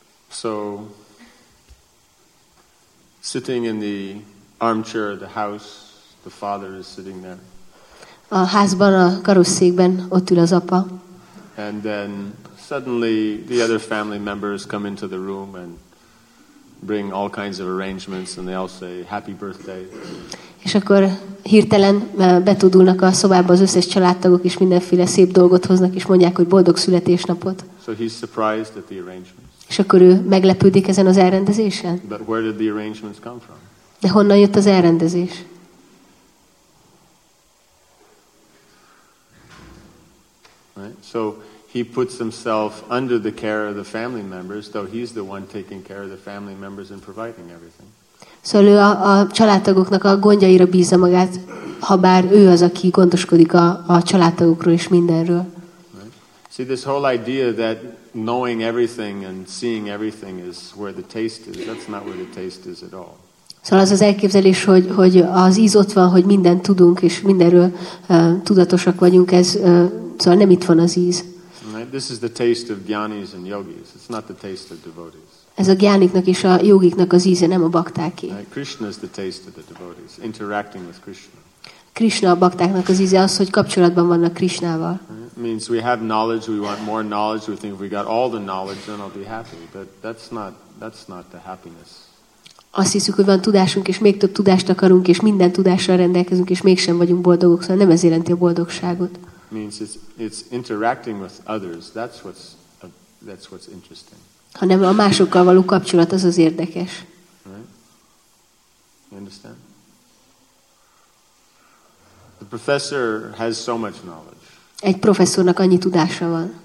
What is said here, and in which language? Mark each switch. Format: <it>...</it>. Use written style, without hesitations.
<en>So, sitting in the armchair of the house, the father is sitting there.</en> <hu>A házban, a karosszékben ott ül az apa.</hu> <en>And then suddenly the other family members come into the room and bring all kinds of arrangements, and they all say happy birthday.</en> <hu>És akkor hirtelen betudulnak a szobába az összes családtagok, és mindenféle szép dolgot hoznak, és mondják, hogy boldog születésnapot.</hu> <en>So he's surprised at the arrangements.</en> <hu>És akkor ő meglepődik ezen az elrendezésen.</hu> <en>But where did the arrangements come from?</en> <hu>De honnan jött az elrendezés?</hu> <en>Right? So he puts himself under the care of the family members, though he's the one taking care of the family members and providing everything.</en> <hu>So ő a családtagoknak a gondjaira bízza magát, ha bár ő az, aki gondoskodik a családtagokról és mindenről.</hu> <en>Right? See, this whole idea that knowing everything and seeing everything is where the taste is, that's not where the taste is at all.</en> <hu>Szóval az az elképzelés, hogy az íz ott van, hogy mindent tudunk és mindenről tudatosak vagyunk, ez szóval nem itt van az íz.</hu> <en>This is the taste of gyanis and yogis. It's not the taste of devotees.</en> <hu>Ez a gyániknak és a jogiknak az íze, nem a baktáké.</hu> <en>Krishna is the taste of the devotees, interacting with Krishna.</en> <hu>Krishna a baktáknak az íze, az, hogy kapcsolatban vannak Krishnával.</hu> <en>Means we have knowledge, we want more knowledge, we think if we got all the knowledge, then I'll be happy. But that's not the happiness.</en> <hu>Azt hiszük, hogy van tudásunk, és még több tudást akarunk, és minden tudással rendelkezünk, és mégsem vagyunk boldogok, szóval nem ez jelenti a boldogságot.</hu> <en>Means it's interacting with others. That's what's interesting.</en> <hu>Hanem a másokkal való kapcsolat, az az érdekes.</hu> <en>Right? You understand? The professor has so much knowledge.</en> <hu>Egy professzornak annyi tudása van.</hu>